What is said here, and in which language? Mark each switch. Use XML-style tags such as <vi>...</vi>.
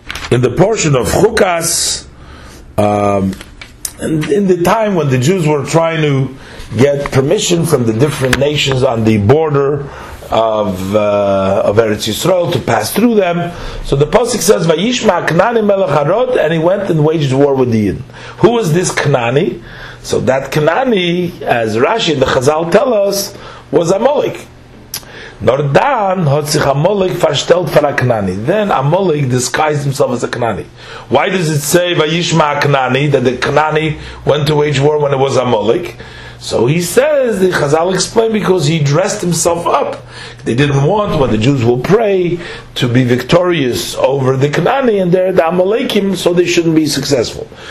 <en>In the portion of Chukas, and in the time when the Jews were trying to get permission from the different nations on the border of Eretz Yisrael to pass through them. So the Pasuk says,</en> <he>Vayishma Knani Melech Harod,</he> <en>and he went and waged war with the Yidin. Who was this Knani? So that Knani, as Rashi and the Chazal tell us, was Amalek.</en> <yi>Nordan hat sich Amalek verstellt für a Knani.</yi> <en>Then Amalek disguised himself as a Knani. Why does it say</en> <he>Vayishma Knani,</he> <en>that the Knani went to wage war when it was Amalek? So he says, the Chazal explained, because he dressed himself up. They didn't want, when the Jews will pray, to be victorious over the Knani, and they're the Amalekim, so they shouldn't be successful.</en>